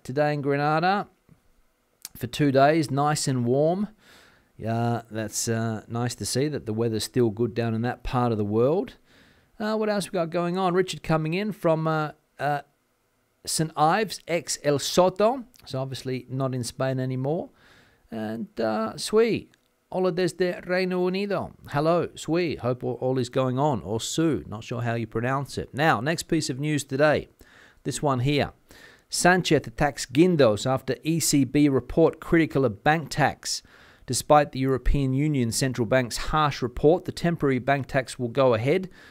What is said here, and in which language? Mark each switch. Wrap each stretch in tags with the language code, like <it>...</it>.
<en>Today in Granada, for 2 days, nice and warm. Yeah, that's nice to see that the weather's still good down in that part of the world. What else we got going on? Richard coming in from St. Ives, ex El Soto. So obviously not in Spain anymore.</en> <es>And Sui, hola desde Reino Unido.</es> <en>Hello, Sui. Hope all is going on. Or Sue, not sure how you pronounce it. Now, next piece of news today. This one here. Sanchez attacks Guindos after ECB report critical of bank tax. Despite the European Union Central Bank's harsh report, the temporary bank tax will go ahead.</en>